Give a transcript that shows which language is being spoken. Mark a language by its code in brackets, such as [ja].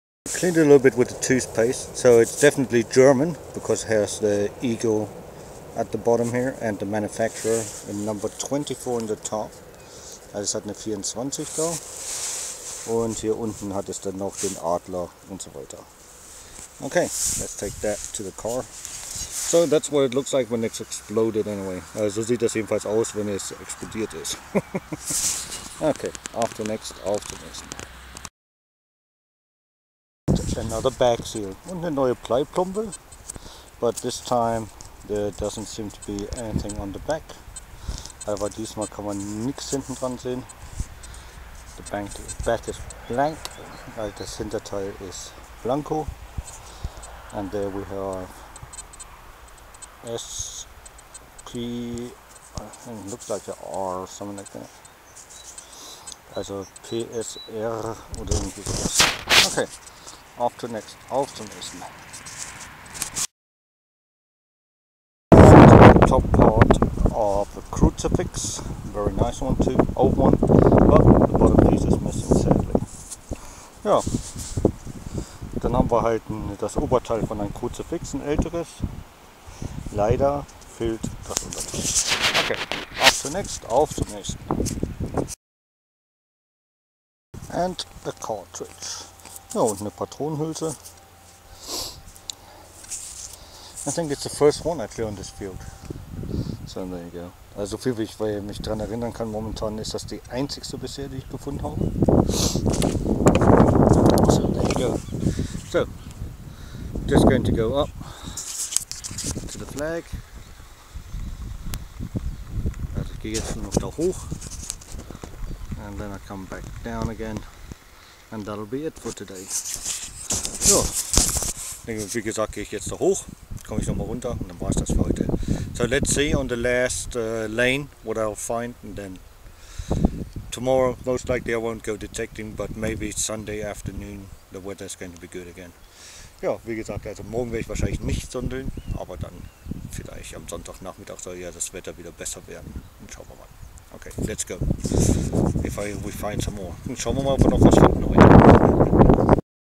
[en] Cleaned it a little bit with the toothpaste, so it's definitely German because it has the eagle at the bottom here and the manufacturer in number 24 in the top. [de] Also es hat eine 24 da und hier unten hat es dann noch den Adler und so weiter. [en] Okay, let's take that to the car. So that's what it looks like when it's exploded anyway. [de] So sieht das jedenfalls aus, wenn es explodiert ist. [en] Okay, after next, after next. Another bag seal and a new Pleiplombe, but this time there doesn't seem to be anything on the back. [de] Aber diesmal kann man nichts hinten dran sehen. [en] The back is blank, [de] also das Hinterteil ist blanco. [en] And there we have S, P, I think it looks like a R or something like that. [de] Also PSR oder irgendwie sowas. Okay. Auf zum nächsten, auf zum nächsten. [en] Top part of a crucifix, very nice one too, old one, but the bottom piece is missing sadly. [de] Ja, dann haben wir halt das Oberteil von einem Crucifix, ein älteres. Leider fehlt das Unterteil. Okay, auf zum nächsten, auf zum nächsten. [en] And a cartridge. [de] Ja, und eine Patronenhülse. [en] I think it's the first one actually on this field. So there you go. [de] Also viel, wie ich mich daran erinnern kann, momentan ist das die einzigste bisher, die ich gefunden habe. [en] So there you go. So, just going to go up to the flag. [de] Also ich gehe jetzt nur noch da hoch. [en] And then I come back down again. And that'll be it for today. [de] So, wie gesagt, gehe ich jetzt da hoch. Komme ich nochmal runter und dann war es das für heute. [en] So let's see on the last lane what I'll find, and then tomorrow most likely I won't go detecting, but maybe Sunday afternoon the weather is going to be good again. [de] Ja, wie gesagt, also morgen werde ich wahrscheinlich nicht sondeln, aber dann vielleicht am Sonntagnachmittag soll ja das Wetter wieder besser werden. Und schauen wir mal. [en] Okay, let's go. If I we find some more. [de] Und schauen wir mal, ob wir noch was finden heute.